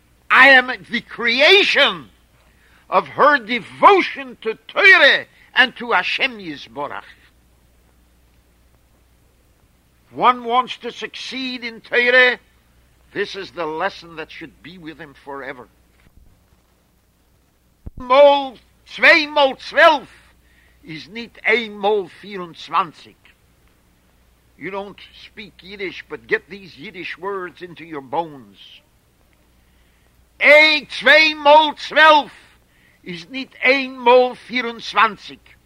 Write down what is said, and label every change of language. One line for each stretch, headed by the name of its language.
English: I am the creation of her devotion to Torah and to Hashem Yisborach. One wants to succeed in Torah. This is the lesson that should be with him forever.
Yiddish: Mol, zwei mol zwölf is nicht ein mol 24.
English: You don't speak Yiddish, but get these Yiddish words into your bones.
Yiddish: Ein zwei mol zwölf is nicht ein mol 24.